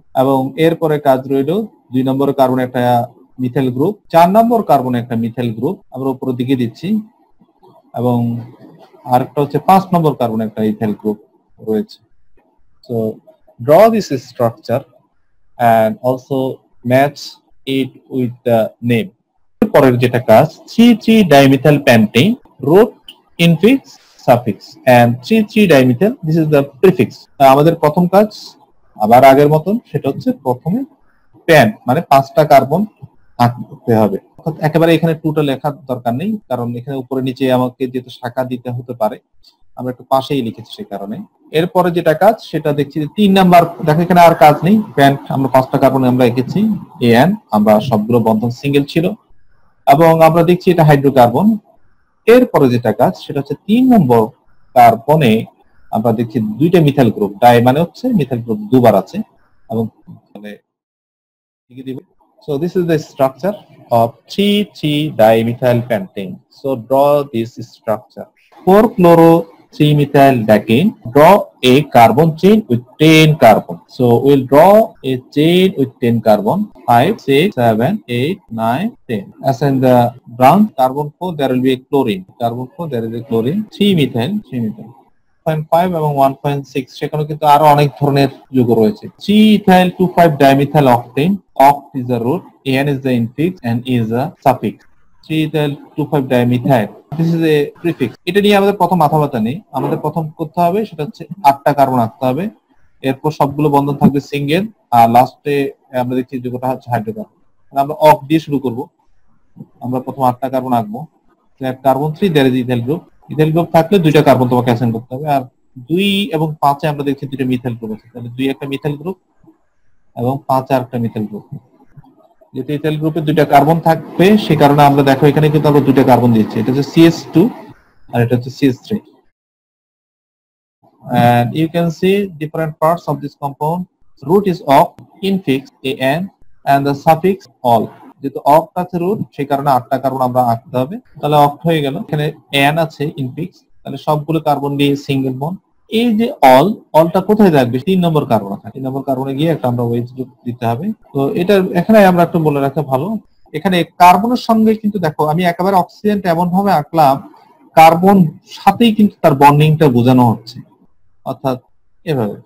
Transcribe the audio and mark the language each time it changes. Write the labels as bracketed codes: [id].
[bn] এবং এরপরে কাজ রইল দুই নম্বর কার্বন একটা মিথাইল গ্রুপ, চার নম্বর কার্বন একটা মিথাইল গ্রুপ আমরা উপরের দিকে দিচ্ছি এবং আরেকটা হচ্ছে পাঁচ নম্বর কার্বন একটা ইথাইল গ্রুপ রয়েছে. [en] So draw this structure and also match it with the name. পরের যেটা কাজ, 3,3-dimethyl pentane, root infix suffix and 3,3-dimethyl, this is the prefix. [bn] আমাদের প্রথম কাজ আবার আগের মতন, সেটা হচ্ছে প্রথমে পেন মানে পাঁচটা কার্বন আঁকতে হবে. অর্থাৎ একেবারে এখানে টোটাল লেখার দরকার নেই, কারণ এখানে উপরে নিচে আমাকে যেহেতু শাখা দিতে হতে পারে আমরা একটু পাশেই লিখেছি সে কারণে. এরপরে যেটা কাজ সেটা দেখছি যে তিন নাম্বার, দেখো এখানে আর কাজ নেই. পেন আমরা পাঁচটা কার্বন আমরা এঁকেছি, এন আমরা সবগুলো বন্ধন সিঙ্গেল ছিল এবং আমরা দেখছি এটা হাইড্রোকার্বন. এরপরে যেটা কাজ সেটা হচ্ছে তিন নম্বর কার্বনে আমরা দেখছি দুইটা মিথাইল গ্রুপ, ডাই মানে হচ্ছে মিথাইল গ্রুপ দুবার আছে এবং মানে লিখে দিব. [en] So this is the structure of 3,3-dimethyl pentane. So draw this structure. 4-chloro-3-methyl-decane, draw a carbon chain with 10 carbon. So will draw a chain with 10 carbon. 5, 6, 7, 8, 9, 10. As in the branch, carbon 4, there will be a chlorine. Carbon 4, there is a chlorine. 3-methyl, 3-methyl. [bn] 0.5 এবং 1.6, সেখানে কিন্তু আরো অনেক ধরনের যৌগ রয়েছে. [en] 3-ethyl-2,5-dimethyl-octane. Oct is the root, an is the infix, and e is the suffix. 3-ethyl-2,5-dimethyl. This is a prefix. [bn] এটা নিয়ে আমাদের প্রথম মাথা ব্যথা নেই. আমাদের প্রথম করতে হবে সেটা হচ্ছে 8টা কার্বন আঁকতে হবে. এরপর সবগুলো বন্ধন থাকবে সিঙ্গেল আর লাস্টে আমরা দেখছি যোগটা হচ্ছে হাইড্রোকার্বন. আমরা অক দিয়ে শুরু করব. আমরা প্রথম 8টা কার্বন আঁকবো. Carbon 3, [en] That is ethyl group. [bn] Ethyl group থাকলে দুইটা কার্বন তোমাকে অ্যাসাইন করতে হবে আর 2 এবং 5 এ আমরা দেখছি দুইটা মিথাইল গ্রুপ আছে. তাহলে 2 একটা মিথাইল গ্রুপ এবং 5 আরেকটা মিথাইল গ্রুপ. যেহেতু ইথাইল গ্রুপে দুইটা কার্বন থাকবে সে কারণে আমরা দেখো এখানে কিন্তু আমরা দুইটা কার্বন দিচ্ছি. এটা হচ্ছে CH2 আর এটা হচ্ছে CH3. [en] And you can see different parts of this compound. Root is oct, infix an, and the suffix all. [bn] যেহেতু oct আছে root, সেই কারণে 8টা কার্বন আমরা আঁকতে হবে. তাহলে oct হয়ে গেল, এখানে an আছে infix, তাহলে সবগুলো কার্বন দিয়ে সিঙ্গেল বন্ড. এই যে অল, অলটা কোথায় থাকবে? তিন নম্বর কার্বন আছে, তিন নম্বর কার্বনে গিয়ে একটা আমরা ওয়েজ গ্রুপ দিতে হবে. তো এটা এখানে আমরা একটু বলে রাখা ভালো, এখানে কার্বনের সঙ্গে কিন্তু দেখো আমি একেবারে অক্সিজেনটা এমন ভাবে আঁকলাম কার্বন সাথেই কিন্তু তার বন্ডিংটা বোঝানো হচ্ছে, অর্থাৎ এভাবে.